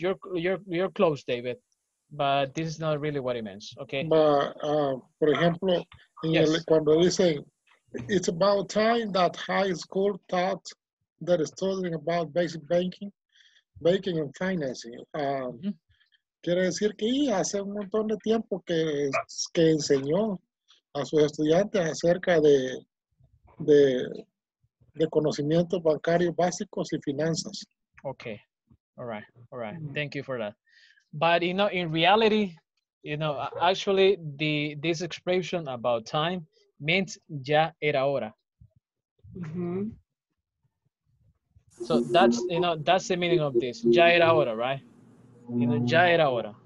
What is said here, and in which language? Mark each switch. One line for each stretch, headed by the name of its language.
English: You're close, David. But this is not really what it means. Okay. For example,
Spanish: cuando dicen,
English: it's about time that high school taught that is talking about basic banking and financing.
Spanish: Quiere decir que hace un montón de tiempo que enseñó a sus estudiantes acerca de conocimientos bancarios básicos y finanzas.
English: Okay. All right. Thank you for that. But, you know, in reality, you know, actually, this expression about time means
Spanish: ya era hora.
English: Mm-hmm. So that's, you know, that's the meaning of this.
Spanish: Ya era hora,
English: right? You know, ya era hora.